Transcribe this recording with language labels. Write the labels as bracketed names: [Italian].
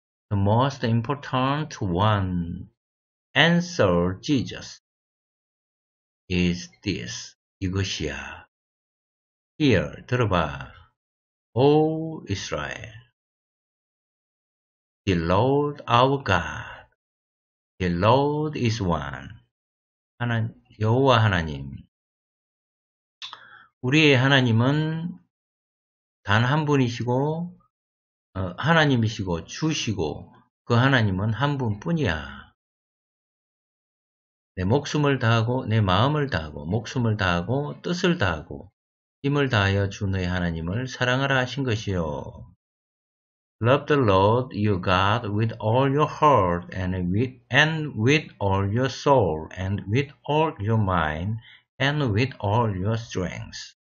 [English] The most important one answered Jesus is this, [Korean] 이것이야. [English] Hear, [Korean] 들어봐. [English] O Israel, the Lord our God, the Lord is one. [Korean] 여호와 하나님. 우리의 하나님은 단 한 분이시고 하나님이시고 주시고 그 하나님은 한 분뿐이야. 내 목숨을 다하고 내 마음을 다하고 목숨을 다하고 뜻을 다하고 힘을 다하여 주 너의 하나님을 사랑하라 하신 것이요. [English] Love the Lord your God with all your heart and with all your soul and with all your mind and with all your strength.